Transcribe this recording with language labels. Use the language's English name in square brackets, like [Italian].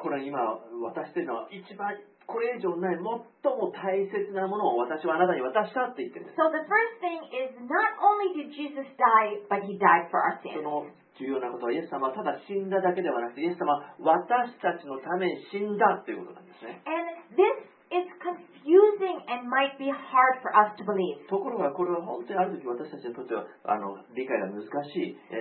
[Japanese] これは今渡しているのは一番これ以上ない最も大切なものを私はあなたに渡したって言ってるんです。 [English] So the first thing is not only did Jesus die, but he died for our sins. [Japanese] その重要なことはイエス様はただ死んだだけではなくてイエス様は私たちのために死んだということなんですね。 [English] And this is confusing and might be hard for us to believe. [Japanese] ところがこれは本当にある時私たちにとっては理解が難しい。